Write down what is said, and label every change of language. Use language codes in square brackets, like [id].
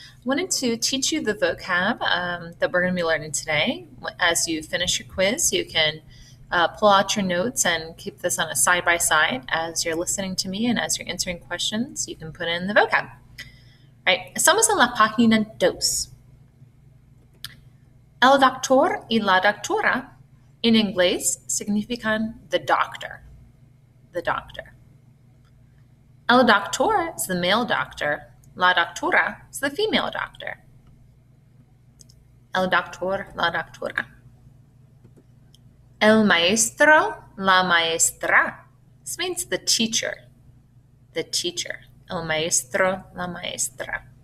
[en] Wanted to teach you the vocab that we're going to be learning today. As you finish your quiz, you can pull out your notes and keep this on a side by side as you're listening to me and as you're answering questions. You can put in the vocab. Right. [es] Estamos en la página dos. El doctor y la doctora in inglés significan [en] the doctor. The doctor. El doctor is the male doctor. La doctora is the female doctor. [es] El doctor, la doctora. El maestro, la maestra. [en] This means the teacher. The teacher. [es] El maestro, la maestra.